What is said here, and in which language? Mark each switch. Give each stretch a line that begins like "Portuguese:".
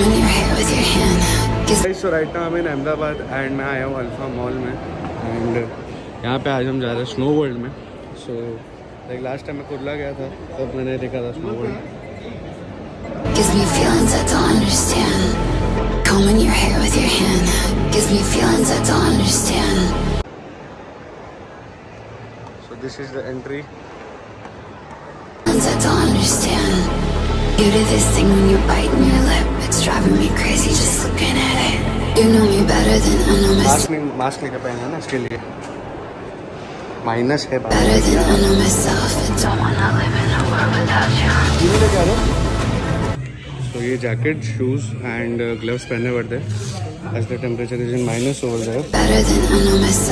English: Hey, so right now I'm in Ahmedabad and I am Alpha Mall
Hindi: mein. And यहाँ पे आज हम जा रहे हैं स्नो वर्ल्ड में.
English: so like last time
Hindi: मैं कुर्ला गया था तब मैंने देखा था snow world.
English: Gives me feelings I don't understand. Combing your hair with your hand gives me feelings I don't understand. So this is the entry. Feelings I don't understand. You do this thing when you're biting your lip. It's driving me crazy just looking at it. You know me better than I know myself.
Hindi: Mask लेके पहना ना इसके लिए. Minus है बात.
English: Better than I know myself. I don't wanna live in a world without you. You need a gun.
Hindi: तो ये
English: jacket shoes and gloves
Hindi: पहनने पड़ते हैं
English: As the temperature is in minus over there.